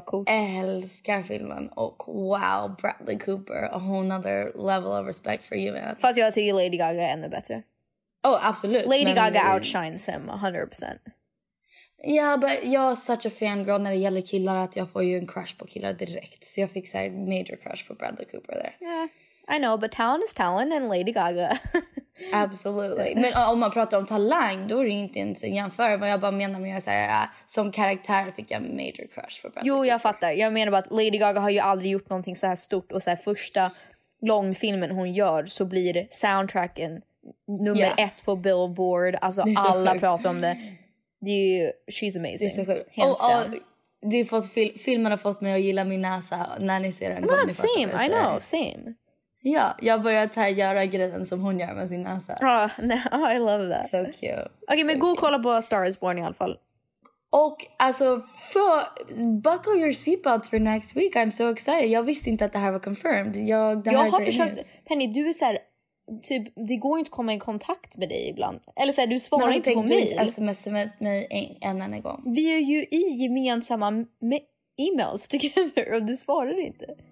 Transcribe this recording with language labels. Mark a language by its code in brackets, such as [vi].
[sv] coolt. Älskar filmen och [en] wow, Bradley Cooper, a whole other level of respect for you, man. [sv] Fast jag tycker Lady Gaga är ännu bättre. [en] Oh, absolut. Lady Gaga outshines him 100%. Yeah, but [sv] jag är [en] such a fangirl [sv] när det gäller killar att jag får ju en crush på killar direkt. Så jag fick en [en] major crush [sv] på Bradley Cooper där. [en] Yeah, I know, but talent is talent and Lady Gaga. Absolutely. [sv] Men om man pratar om talang, då är det inte ens en jämförelse. Men jag bara menar med att som karaktär fick jag [en] major crush [sv] på Bradley Cooper. Jag fattar. Jag menar bara att Lady Gaga har ju aldrig gjort någonting så här stort. Och så här, första långfilmen hon gör, så blir soundtracken nummer ett på Billboard. Alltså alla pratar om det. Det är ju, [en] she's amazing. [sv] Det är så sjukt. Det är fått, filmen har fått mig att gilla min näsa när ni ser den. [en] Come on, same. I know, same. [sv] Ja, jag började göra grejen som hon gör med sin näsa. [en] I love that. So cute. [sv] Okej, [en] okay, so [sv] men gå och kolla på A Star Is Born i alla fall. Och alltså, [en] buckle your seatbelts for next week. I'm so excited. [sv] Jag visste inte att det här var confirmed. Jag har försökt, Penny, du är så här, typ, det går inte att komma i kontakt med dig ibland. Eller så här, du svarar inte på mig. Men har du inte smsat mig en annan gång? Vi är ju i gemensamma emails together och du svarar inte.